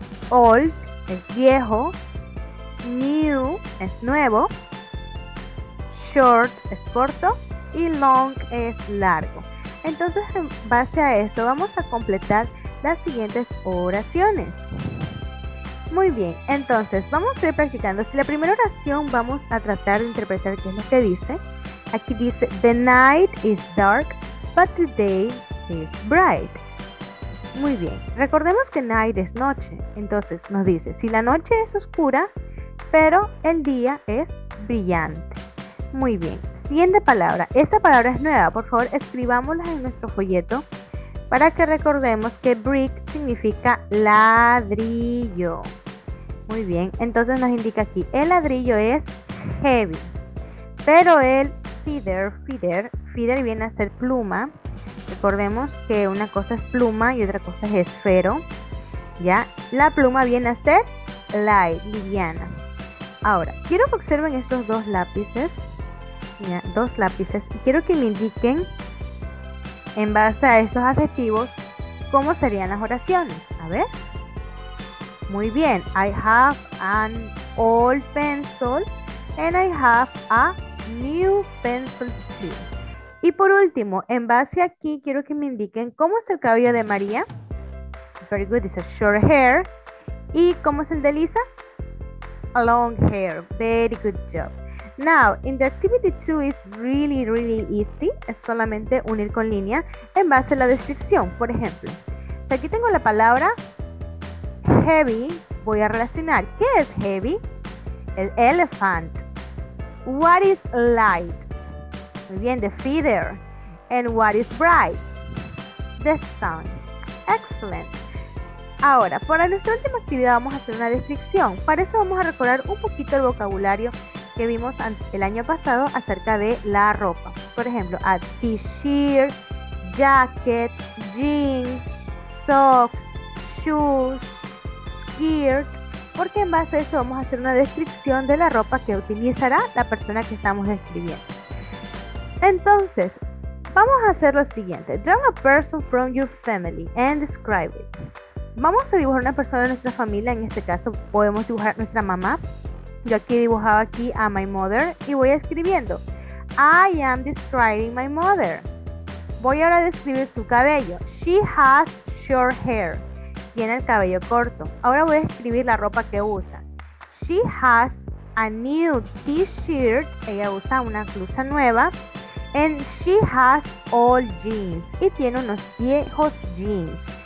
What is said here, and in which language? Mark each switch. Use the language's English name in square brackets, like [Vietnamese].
[Spanish] Old es viejo. New es nuevo, short es corto y long es largo. Entonces, en base a esto, vamos a completar las siguientes oraciones. Muy bien, entonces, vamos a ir practicando. Si la primera oración vamos a tratar de interpretar qué es lo que dice. Aquí dice, [English] the night is dark, but the day is bright. [Spanish] Muy bien, recordemos que night es noche. Entonces, nos dice, si la noche es oscura, pero el día es brillante. Muy bien. Siguiente palabra. Esta palabra es nueva. Por favor, escribámosla en nuestro folleto para que recordemos que brick significa ladrillo. Muy bien. Entonces nos indica aquí, el ladrillo es heavy. Pero el feather viene a ser pluma. Recordemos que una cosa es pluma y otra cosa es esfero. ¿Ya? La pluma viene a ser light, liviana. Ahora, quiero que observen estos dos lápices. Mira, dos lápices. Y quiero que me indiquen, en base a esos adjetivos, cómo serían las oraciones. A ver. Muy bien. [English] I have an old pencil and I have a new pencil too. [Spanish] Y por último, en base aquí, quiero que me indiquen cómo es el cabello de María. [English] Very good. It's a short hair. [Spanish] Y cómo es el de Lisa. [English] Long hair. Very good job. Now, in the activity 2 is really, really easy. [Spanish] Es solamente unir con línea en base a la descripción. Por ejemplo, si aquí tengo la palabra heavy, voy a relacionar. ¿Qué es heavy? El elephant. [English] What is light? [Spanish] Muy bien, [English] the feather. And what is bright? The sun. Excellent. [Spanish] Ahora, para nuestra última actividad vamos a hacer una descripción. Para eso vamos a recordar un poquito el vocabulario que vimos el año pasado acerca de la ropa. Por ejemplo, [English] a t-shirt, jacket, jeans, socks, shoes, skirt. [Spanish] Porque en base a eso vamos a hacer una descripción de la ropa que utilizará la persona que estamos describiendo. Entonces, vamos a hacer lo siguiente. [English] Draw a person from your family and describe it. [Spanish] Vamos a dibujar una persona de nuestra familia. En este caso podemos dibujar a nuestra mamá. Yo aquí he dibujado aquí a my mother y voy escribiendo. [English] I am describing my mother. [Spanish] Voy ahora a describir su cabello. [English] She has short hair. [Spanish] Tiene el cabello corto. Ahora voy a escribir la ropa que usa. [English] She has a new t-shirt. [Spanish] Ella usa una blusa nueva. [English] And she has old jeans. [Spanish] Y tiene unos viejos jeans.